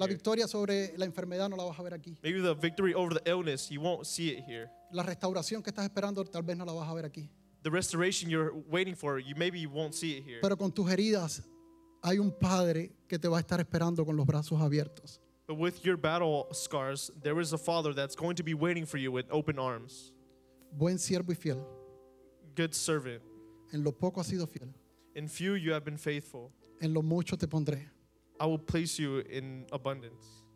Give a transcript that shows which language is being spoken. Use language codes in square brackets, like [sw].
[es] La victoria sobre la enfermedad no la vas a ver aquí. [en] Maybe the victory over the illness, you won't see it here. [es] La restauración que estás esperando tal vez no la vas a ver aquí. [en] The restoration you're waiting for, maybe you won't see it here. [es] Pero con tus heridas hay un padre que te va a estar esperando con los brazos abiertos. [en] But with your battle scars, there is a father that's going to be waiting for you with open arms. [es] Buen siervo y fiel. [en] Good servant. [es] En lo poco has sido fiel. [en] In few you have been faithful. [es] En lo mucho te pondré. [en] I will place you in abundance.